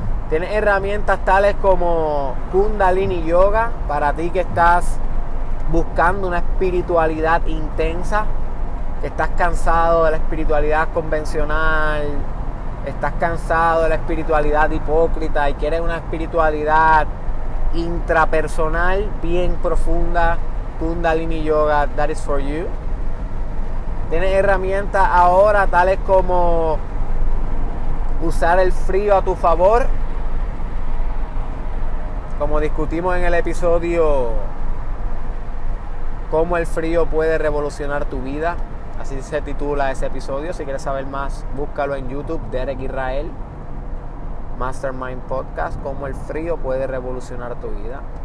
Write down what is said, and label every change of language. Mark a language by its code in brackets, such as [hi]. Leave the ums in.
[es] Tienes herramientas tales como Kundalini Yoga para ti que estás buscando una espiritualidad intensa, que estás cansado de la espiritualidad convencional, estás cansado de la espiritualidad hipócrita y quieres una espiritualidad intrapersonal bien profunda. [en] Kundalini Yoga, that is for you. [es] Tienes herramientas ahora tales como usar el frío a tu favor, como discutimos en el episodio cómo el frío puede revolucionar tu vida, así se titula ese episodio, si quieres saber más búscalo en YouTube, Derek Israel, Mastermind Podcast, cómo el frío puede revolucionar tu vida.